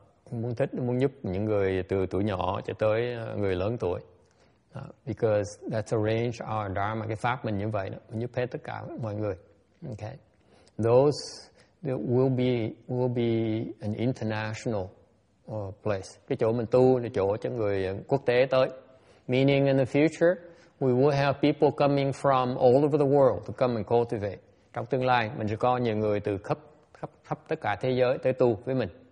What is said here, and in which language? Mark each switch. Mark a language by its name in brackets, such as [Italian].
[Vietnamese] Muốn giúp những người từ tuổi nhỏ cho tới người lớn tuổi. [English] Because that's a range of our dharma, [Vietnamese] cái pháp mình như vậy đó, mình giúp hết tất cả mọi người. [English] Okay. Those that will be an international place. [Vietnamese] Cái chỗ mình tu là chỗ cho người quốc tế tới. [English] Meaning in the future, we will have people coming from all over the world to come and cultivate. [Vietnamese] Trong tương lai, mình sẽ có nhiều người từ khắp tất cả thế giới tới tu với mình.